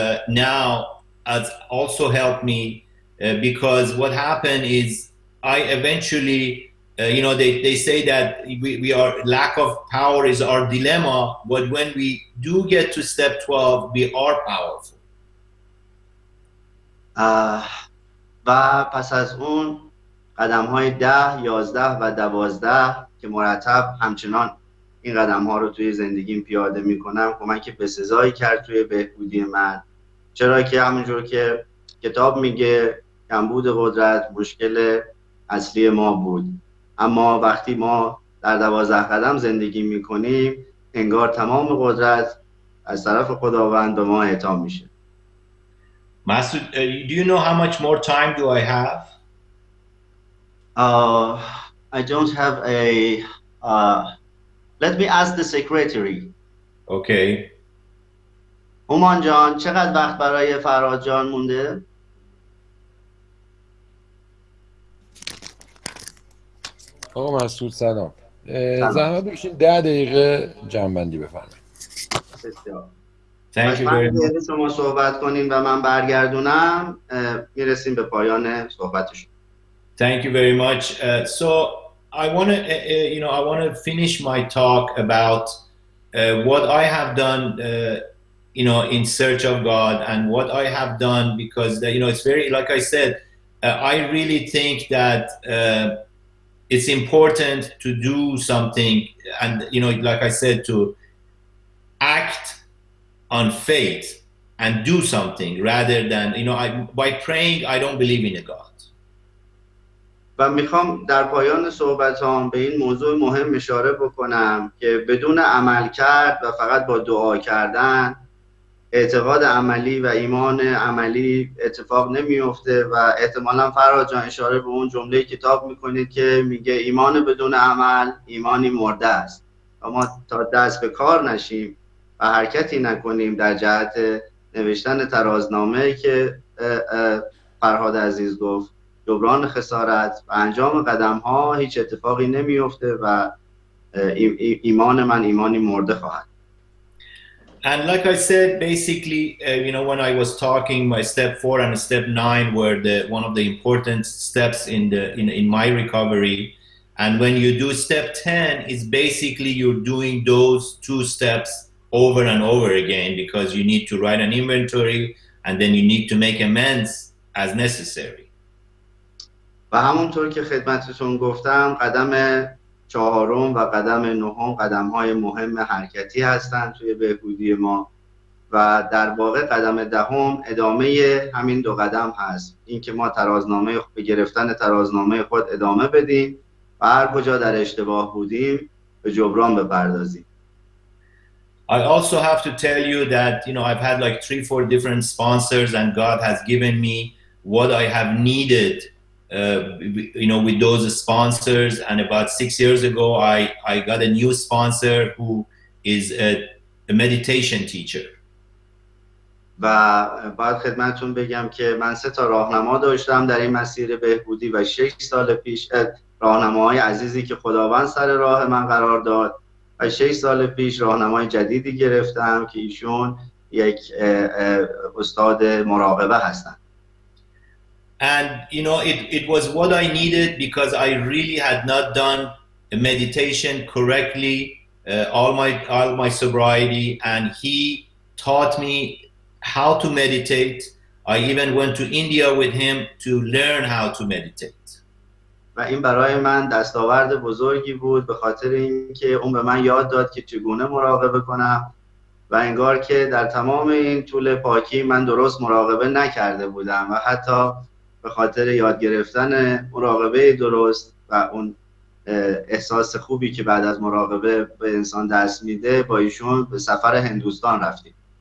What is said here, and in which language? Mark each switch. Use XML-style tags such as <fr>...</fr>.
<en>now has also helped me because what happened is I eventually they say that we are lack of power is our dilemma, but when we do get to step 12 we are powerful.</en> <fa>قدم های 10, 11 و 12 که مرتب همچنان این قدم ها رو توی زندگیم پیاده می کنم، کمک بسزایی کرد توی بهبودی من، چرا که همونجور که کتاب میگه کمبود قدرت مشکل اصلی ما بود، اما وقتی ما در 12 قدم زندگی می کنیم انگار تمام قدرت از طرف خداوند به ما اعطا میشه.</fa> <en>Masood, do you know how much more time do I have? I don't have a... let me ask the secretary. Okay.</en> <fa>Human jan, چقدر وقت برای فرهاد جان مونده؟ آقا مسعود سلام. زحمت بکشید 10 دقیقه جمع‌بندی بفرمایید.</fa> <en>Thank you very much.</en> <fa>شما صحبت کنین و من برگردونم، میرسیم به پایان صحبتش.</fa> <en>Thank you very much. So I want to I want to finish my talk about what I have done in search of God and what I have done, because it's very, like I said, I really think that it's important to do something, and like I said, to act on faith and do something rather than by praying I don't believe in a God.</en> <fa>و میخوام در پایان صحبتام به این موضوع مهم اشاره بکنم که بدون عمل کرد و فقط با دعا کردن اعتقاد عملی و ایمان عملی اتفاق نمیفته و احتمالاً فرهاد جان اشاره به اون جمله کتاب میکنید که میگه ایمان بدون عمل ایمانی مرده است. ما تا دست به کار نشیم و حرکتی نکنیم در جهت نوشتن ترازنامه که فرهاد عزیز گفت، جبران خسارت و انجام قدم ها، هیچ اتفاقی نمیفته و ایمان من ایمانی مرده خواهد.</fa> <en>And like I said, basically, when I was talking, my step 4 and step 9 were the one of the important steps in my recovery. And when you do step 10, it's basically you're doing those two steps over and over again, because you need to write an inventory and then you need to make amends as necessary.</en> <fa>و همونطور که خدمتتون گفتم، قدم چهارم و قدم نهم قدم‌های مهم حرکتی هستن توی بهبودی ما، و در واقع قدم دهم ادامه همین دو قدم هست، اینکه ما ترازنامه به گرفتن ترازنامه خود ادامه بدیم و هر کجا در اشتباه بودیم به جبران بپردازیم.</fa> <en>I also have to tell you that I've had like 3-4 different sponsors and God has given me what I have needed with those sponsors, and about 6 years ago I got a new sponsor who is a meditation teacher.</en> <fa>و باید خدمتتون بگم که من 3 تا راهنما داشتم در این مسیر بهبودی و 6 سال پیش راهنمای عزیزی که خداوند سر راه من قرار داد و 6 سال پیش راهنمای جدیدی گرفتم که ایشون یک استاد مراقبه هستند.</fa> <en>And it was what I needed, because I really had not done a meditation correctly all my sobriety, and he taught me how to meditate. I even went to India with him to learn how to meditate.</en> <fa>و این برای من دستاورد بزرگی بود به خاطر اینکه اون به من یاد داد که چگونه مراقبه کنم، و انگار که در تمام این طول پاکی من درست مراقبه نکرده بودم و حتی به خاطر یاد گرفتن مراقبه درست و اون احساس خوبی که بعد از مراقبه به انسان دست میده، با ایشون به سفر هندوستان رفتیم.</fa>